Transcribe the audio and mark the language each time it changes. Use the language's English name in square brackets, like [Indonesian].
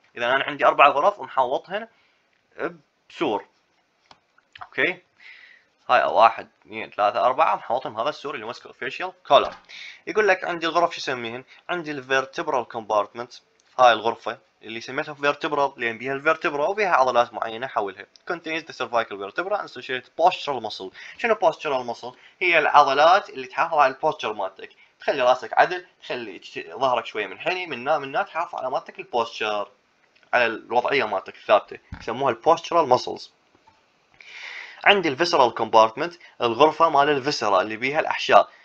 [Arabic] اذا انا عندي اربع غرف ومحوطهن بسور اوكي، هاي واحد اثنين ثلاثة أربعة محوطهم هذا السور اللي مسكو فيشل كولر. يقول لك عندي الغرف شو يسميهن؟ عندي الفيرتبرال كومبارتمنت، هاي الغرفة اللي سميتها فيرتبرال لأن بيها الفيرتبرا وبيها عضلات معينة حولها. [English] Contains the cervical vertebra and associated postural muscle. [Arabic] شنو postural muscle؟ هي العضلات اللي تحافظ على البوستشر مالتك، تخلي راسك عدل، تخلي ظهرك شوية منحني من نام من تحافظ على مالتك البوستشر، على الوضعية مالتك الثابتة، يسموها البوستشرال muscles. عندي الفيسرال كومبارتمنت، الغرفه مال الفيسرا اللي بيها الاحشاء.